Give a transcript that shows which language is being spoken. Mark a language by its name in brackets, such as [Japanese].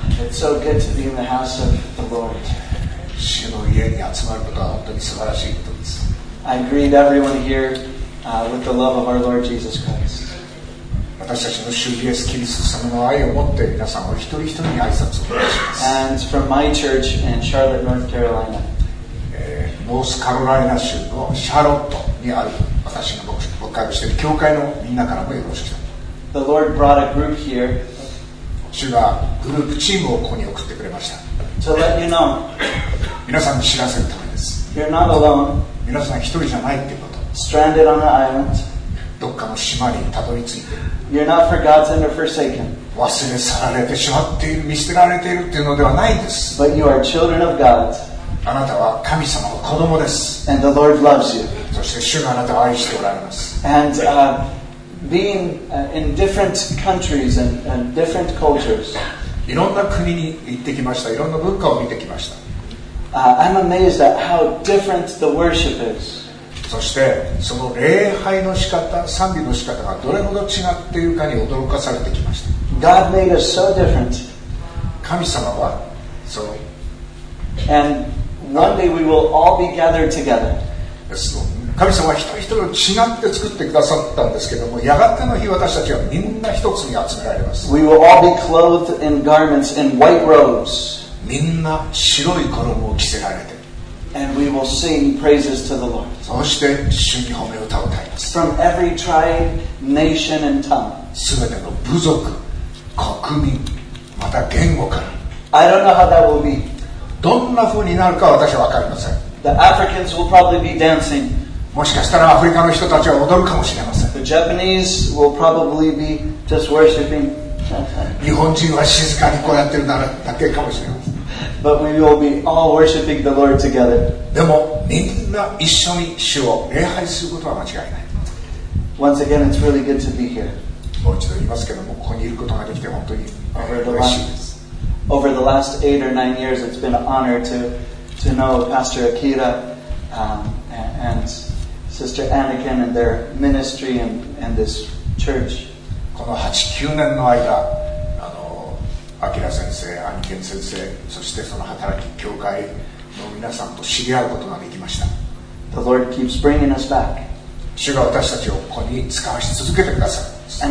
[English] so good to be in the house of the Lord. [Japanese] 主の家に集まることは本当に素晴らしいことです。 [English] I greet everyone here, with the love of our Lord Jesus Christ. [Japanese] 私たちの主イエス・キリスト様の愛を持って皆さんお一人一人に挨拶をお願いします。 [English] And from my church in Charlotte, North Carolina. [Japanese] ノースカロライナ州のシャーロットにある私の牧師、牧会をしている教会のみんなからもよろしく。 [English] The Lord brought a group here. [Japanese] 主がグループチームをここに送ってくれました。 [English] To let you know. [Japanese] 皆さんに知らせるためです。 [English] You're not alone. [Japanese] 皆さん一人じゃないってこと。 [English] Stranded on an island. [Japanese] どっかの島にたどり着いて。 [English] You're not forgotten or forsaken. [Japanese] 忘れ去られてしまっている、見捨てられているっていうのではないです。 [English] But you are children of God. [Japanese] あなたは神様の子供です。 [English] And the Lord loves you. [Japanese] そして主があなたを愛しておられます。 [English] And, being in different countries and different cultures. [Japanese] いろんな国に行ってきました。いろんな文化を見てきました。 [English] I'm amazed at how different the worship is. [Japanese] そしてその礼拝の仕方、賛美の仕方がどれほど違っているかに驚かされてきました。 [English] God made us so different. [Japanese] 神様はそう。 [English] And one day we will all be gathered together. [Japanese] 神様は一人一人を違って作ってくださったんですけども、やがての日私たちはみんな一つに集められます。 [English] We will all be clothed in garments in white robes. [Japanese] みんな白い衣を着せられて、 [English] And we will sing praises to the Lord. [Japanese] そして主に褒めを歌を歌います。 [English] From every tribe, nation, and tongue. [Japanese] 全ての部族、国民、また言語から。 [English] I don't know how that will be. [Japanese] どんな風になるかは私は分かりません。 [English] The Africans will probably be dancing. [Japanese] もしかしたらアフリカの人たちは踊るかもしれません。 [English] The Japanese will probably be just worshiping. [Japanese] 日本人は静かにこうやってるならだけかもしれません。 [English] But we will be all worshiping the Lord together. [Japanese] でもみんな一緒に主を礼拝することは間違いない。 [English] Once again, it's really good to be here. [Japanese] もう一度言いますけども、ここにいることができて本当に嬉しいです。 [English] Over the last 8 or 9 years, it's been an honor to know Pastor Akira, and Sister Anakin and their ministry and this church. [Japanese] この8、9年の間、アキラ先生、アニケン先生、そしてその働き教会の皆さんと知り合うことができました。 [English] The Lord keeps bringing us back. [Japanese] 主が私たちをここに使わし続けてください。